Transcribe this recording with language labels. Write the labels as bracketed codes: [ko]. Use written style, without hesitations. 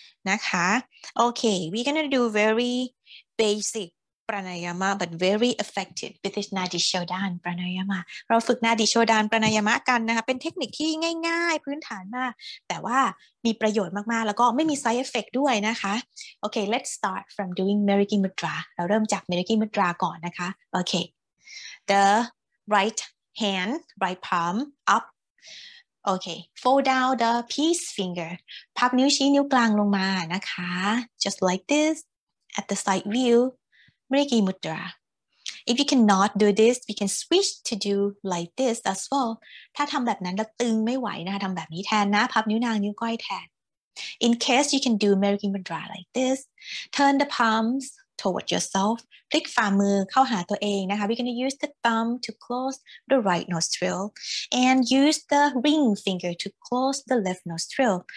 [th] นะคะโอเค [en] we're gonna do very basic pranayama but very effective with this nadi shodhan pranayama [th] เราฝึก nadi shodhan pranayama กันนะคะเป็นเทคนิคที่ง่ายๆพื้นฐานมากแต่ว่ามีประโยชน์มากๆแล้วก็ไม่มี side effect ด้วยนะคะโอเค [en] let's start from doing meraki mudra [th] เราเริ่มจาก meraki mudra ก่อนนะคะโอเค [en] the right hand right palm upOkay, fold down the peace finger. [th] พับนิ้วชี้นิ้วกลางลงมานะคะ [en] Just like this. At the side view, Meraki Mudra. If you cannot do this, we can switch to do like this as well. [th] ถ้าทำแบบนั้นแล้วตึงไม่ไหวนะคะทำแบบนี้แทนนะพับนิ้วนางนิ้วก้อยแทน [en] In case you can do Meraki Mudra like this, turn the palms toward yourself. [th] พลิกฝ่ามือเข้าหาตัวเองนะคะ [en] We're going to use the thumb to close the right nostril and use the ring finger to close the left nostril.